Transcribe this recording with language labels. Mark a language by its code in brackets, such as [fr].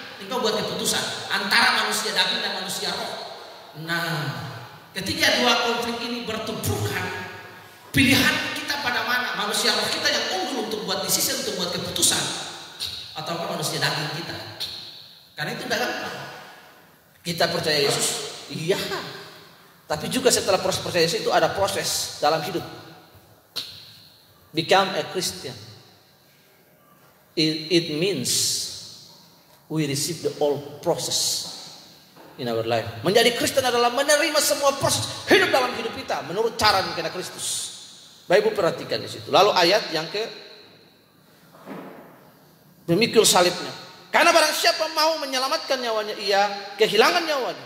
[id] Engkau buat keputusan antara manusia daging dan manusia roh. Nah, ketika dua konflik ini bertumpukan, pilihan kita pada mana? Manusia roh kita yang unggul untuk buat decision, untuk buat keputusan, atau manusia daging kita? Karena itu tidak gampang. Kita percaya Yesus, iya. Tapi juga setelah proses percaya Yesus itu ada proses dalam hidup. [en] Become a Christian, it means we receive the whole process in our life. [id] Menjadi Kristen adalah menerima semua proses hidup dalam hidup kita menurut cara mengenai Kristus. Baik, Ibu perhatikan di situ. Lalu ayat yang ke memikul salibnya. Karena barang siapa mau menyelamatkan nyawanya, ia kehilangan nyawanya.